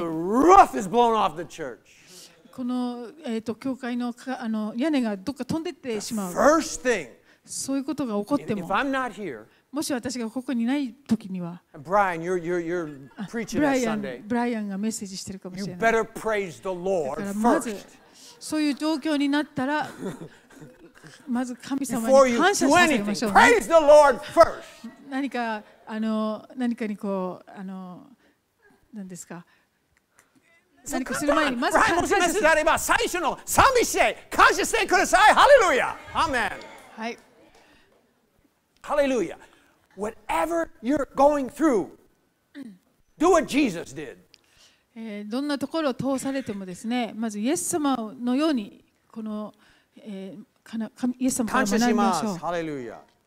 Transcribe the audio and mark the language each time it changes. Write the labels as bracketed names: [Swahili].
[English] When the roof is blown off the church. [Japanese] この教会の屋根がどっか飛んでってしまう。 [English] First thing. [Japanese] そういうことが起こっても。 [English] If I'm not here. [Japanese] もし私がここにない時には。 [English] Brian, you're preaching on Sunday. [Japanese] Brian がメッセージしてるかもしれない。 [English] You better praise the Lord first. [Japanese] だからまずそういう状況になったら。まず神様に感謝させましょう、ね、 [English] praise the Lord first. [Japanese] 何かにこう何ですか何かする前にまず感謝させれば最初の賛美して感謝してくださいハレルヤアーメンはい [English] ハレルヤ whatever you're going through do what Jesus did [Japanese] どんなところを通されてもですねまずイエス様のようにこのイエス様から学びましょう。ハレルヤ。